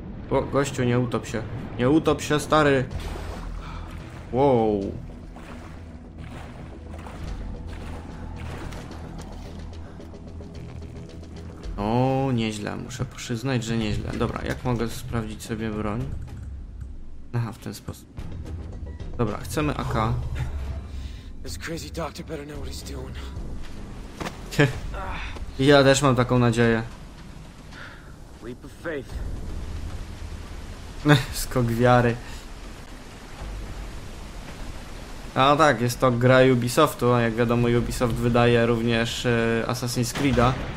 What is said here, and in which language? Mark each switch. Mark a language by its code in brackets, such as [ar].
[pl] O, gościu, nie utop się. Nie utop się, stary! Wow. O, nieźle. Muszę przyznać, że nieźle. Dobra, jak mogę sprawdzić sobie broń? Aha, w ten sposób. Dobra, chcemy AK. [en] This crazy doctor better know what he's doing. [pl] Ja też mam taką nadzieję. [en] Leap of faith. [pl] Skok wiary. A tak, jest to gra Ubisoftu, a jak wiadomo, Ubisoft wydaje również Assassin's Creed'a.